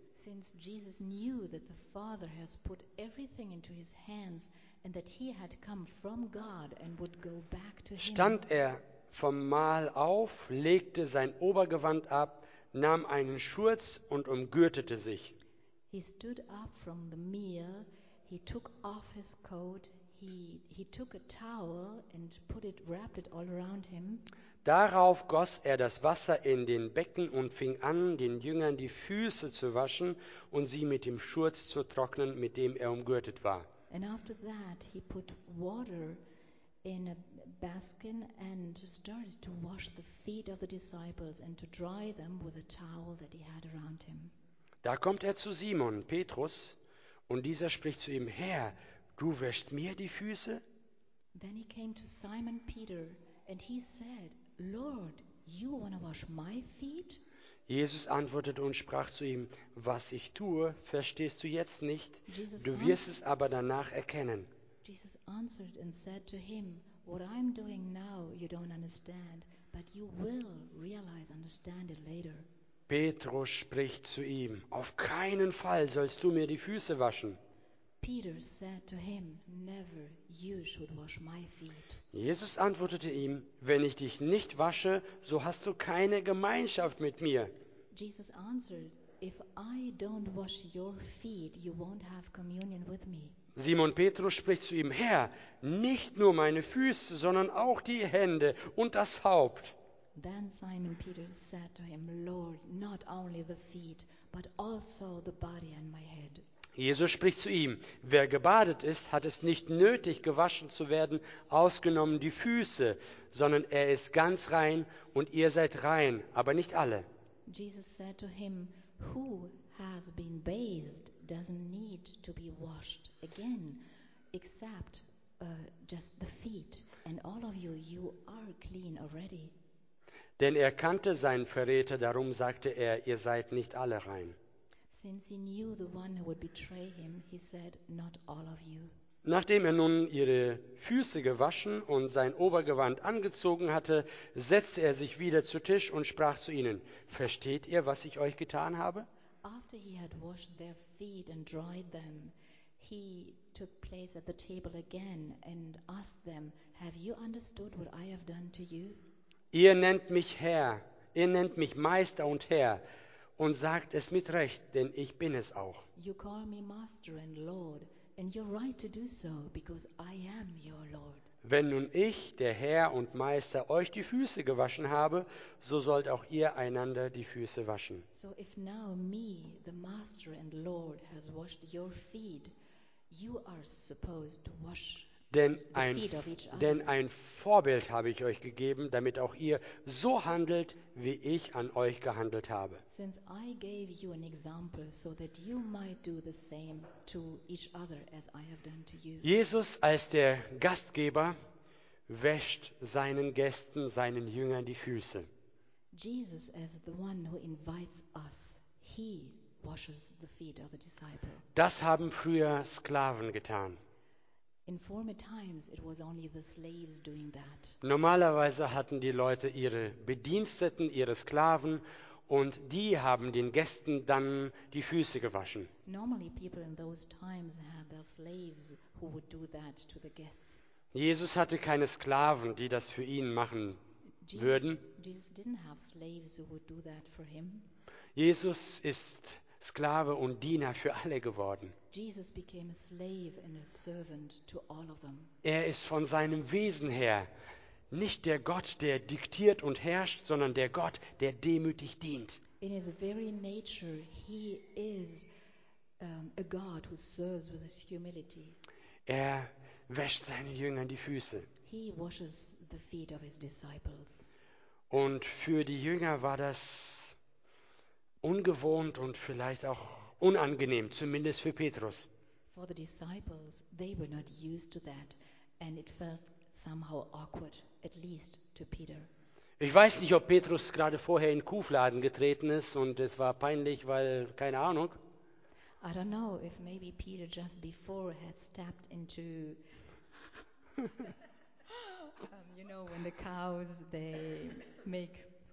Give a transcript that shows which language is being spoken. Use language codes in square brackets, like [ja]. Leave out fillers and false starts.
[en] since Jesus knew that the Father has put everything into his hands and that he had come from God and would go back to him, [de] stand er vom Mahl auf, legte sein Obergewand ab, nahm einen Schurz und umgürtete sich. [en] He stood up from the meal, he took off his coat, he took a towel and wrapped it all around him. [de] Darauf goss er das Wasser in den Becken und fing an, den Jüngern die Füße zu waschen und sie mit dem Schurz zu trocknen, mit dem er umgürtet war. [en] And after that he put water in a basket and started to wash the feet of the disciples and to dry them with a towel that he had around him. [de] Da kommt er zu Simon Petrus und dieser spricht zu ihm: Herr, du wäschst mir die Füße? [en] Then he came to Simon Peter and he said, Lord, you wanna wash my feet? [de] Jesus antwortete und sprach zu ihm: Was ich tue, verstehst du jetzt nicht, du wirst es aber danach erkennen. [en] Jesus answered and said to him, What I'm doing now you don't understand, but you will realize, understand it later. [de] Petrus spricht zu ihm: Auf keinen Fall sollst du mir die Füße waschen. [en] Peter said to him, Never you should wash my feet. [de] Jesus antwortete ihm: Wenn ich dich nicht wasche, so hast du keine Gemeinschaft mit mir. [en] Jesus answered, If I don't wash your feet, you won't have communion with me. [de] Simon Petrus spricht zu ihm: Herr, nicht nur meine Füße, sondern auch die Hände und das Haupt. [en] Then Simon Peter said to him, Lord, not only the feet, but also the body and my head. [de] Jesus spricht zu ihm: Wer gebadet ist, hat es nicht nötig, gewaschen zu werden, ausgenommen die Füße, sondern er ist ganz rein und ihr seid rein, aber nicht alle. [en] Jesus said to him, Who has been bathed doesn't need to be washed again, except just the feet, and all of you, you are clean already. [de] Denn er kannte seinen Verräter, darum sagte er, ihr seid nicht alle rein. [en] Since he knew the one who would betray him, he said, not all of you. [de] Nachdem er nun ihre Füße gewaschen und sein Obergewand angezogen hatte, setzte er sich wieder zu Tisch und sprach zu ihnen: Versteht ihr, was ich euch getan habe? [en] After he had washed their feet and dried them, he took place at the table again and asked them, Have you understood what I have done to you? [de] Ihr nennt mich Herr, ihr nennt mich Meister und Herr, und sagt es mit Recht, denn ich bin es auch. [en] You call me Master and Lord, and you're right to do so, because I am your Lord. [de] Wenn nun ich, der Herr und Meister, euch die Füße gewaschen habe, so sollt auch ihr einander die Füße waschen. [en] So if now me, the Master and Lord, has washed your feet, you are supposed to wash your feet. [de] Denn ein Vorbild habe ich euch gegeben, damit auch ihr so handelt, wie ich an euch gehandelt habe. [en] Since I gave you an example, so that you might do the same to each other as I have done to you. [de] Jesus als der Gastgeber wäscht seinen Gästen, seinen Jüngern die Füße. [en] Jesus as the one who invites us, he washes the feet of the disciple. [de] Das haben früher Sklaven getan. [en] In former times it was only the slaves doing that. [de] Normalerweise hatten die Leute ihre Bediensteten, ihre Sklaven, und die haben den Gästen dann die Füße gewaschen. [en] Normally people in those times had their slaves who would do that to the guests. [de] Jesus hatte keine Sklaven, die das für ihn machen würden. [en] Jesus didn't have slaves who would do that for him. [de] Jesus ist Sklave und Diener für alle geworden. [en] Jesus became a slave and a servant to all of them. [de] Er ist von seinem Wesen her nicht der Gott, der diktiert und herrscht, sondern der Gott, der demütig dient. [en] In his very nature he is a God who serves with his humility. [de] Er wäscht seinen Jüngern die Füße. [en] He washes the feet of his disciples. [de] Und für die Jünger war das ungewohnt und vielleicht auch unangenehm, zumindest für Petrus. [en] For the disciples, they were not used to that, and it felt somehow awkward, at least to Peter. [de] Ich weiß nicht, ob Petrus gerade vorher in Kuhfladen getreten ist und es war peinlich, weil keine Ahnung. [en] I don't know if maybe Peter just before had stepped into you know, when the cows they make